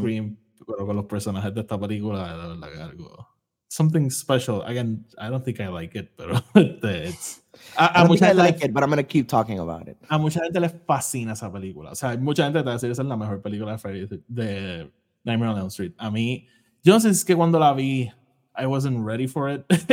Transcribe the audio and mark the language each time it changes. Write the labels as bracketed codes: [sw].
[es] Scream, pero con los personajes de esta película, la verdad que algo... [en] Something special. Again, I don't think I like it, pero it's... But I'm going to keep talking about it. [es] A mucha gente le fascina esa película. O sea, mucha gente te va a decir que es la mejor película de Nightmare on Elm Street. A mí, yo no sé si es que cuando la vi, [en] I wasn't ready for it.